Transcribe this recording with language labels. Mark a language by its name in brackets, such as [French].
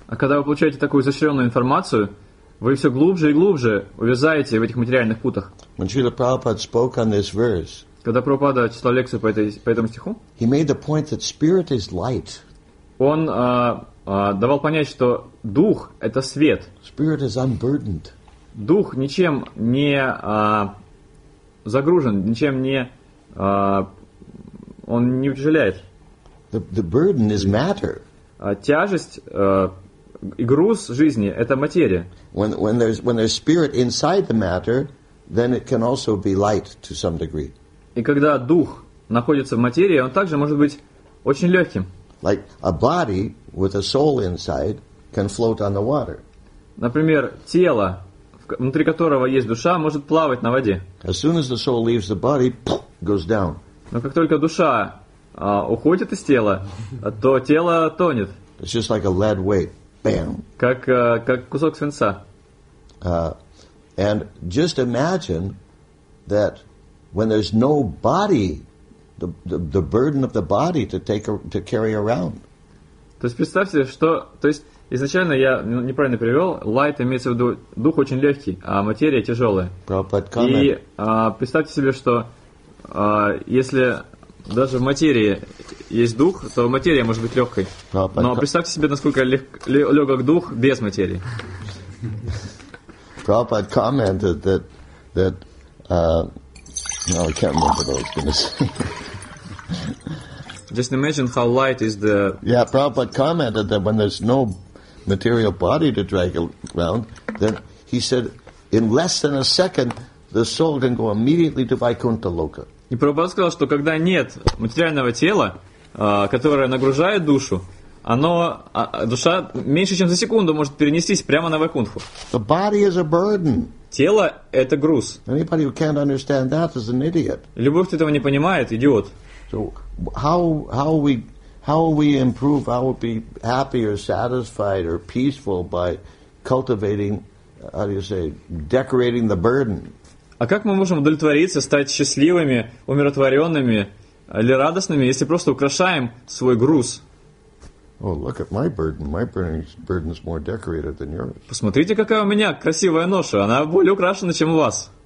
[Russian] А когда вы получаете такую изощренную информацию, вы все глубже и глубже увязаете в этих материальных путах. [English] When Srila Prabhupada spoke on this verse, [Russian] когда Прабхупада читал лекцию по этому стиху, [English] he made the point that spirit is light. [Russian] Он давал понять, что дух — это свет. [English] Spirit is unburdened. [Russian] Дух ничем не загружен, ничем не он не утяжеляет. [English] The burden is matter. [Russian] Тяжесть и груз жизни — это материя. [English] When there's spirit inside the matter, then it can also be light to some degree. [Russian] И когда дух находится в материи, он также может быть очень легким. [English] Like a body with a soul inside can float on the water. [Russian] Например, тело, внутри которого есть душа, может плавать на воде. [English] As soon as the soul leaves the body, goes down. [Russian] Но как только душа уходит из тела, то тело тонет. [English] It's just like a lead weight. Bam. [Russian] Как кусок свинца. [English] And just imagine that when there's no body, the burden of the body to carry around. [Russian] То есть представьте, что, то есть изначально я неправильно перевел. Light имеется в виду дух очень легкий, а материя тяжелая. [English] Prabhupada comment. [Russian] И представьте себе, что если даже в материи есть дух, то материя может быть легкой. Но представьте себе, насколько легок дух без материи. [English] Prabhupada commented that no, I can't remember what I was going to say. Just imagine how light is the... Yeah, Prabhupada commented that when there's no material body to drag around, then he said, in less than a second, the soul can go immediately to Vaikuntha Loka. [Russian] И Прабхупада сказал, что когда нет материального тела, которое нагружает душу, душа меньше, чем за секунду может перенестись прямо на Вайкунтху. [English] The body is a burden. [Russian] Тело – это груз. [English] Anybody who can't understand that is an idiot. [Russian] Любой, кто этого не понимает, идиот. [English] So how we improve, how we be happy or satisfied or peaceful by cultivating, how do you say, decorating the burden? [Russian] А как мы можем удовлетвориться, стать счастливыми, умиротворенными или радостными, если просто украшаем свой груз? [English] Oh, look at my burden. My burden is more decorated than yours. [Russian] Посмотрите, какая у меня красивая ноша. Она более украшена, чем у вас.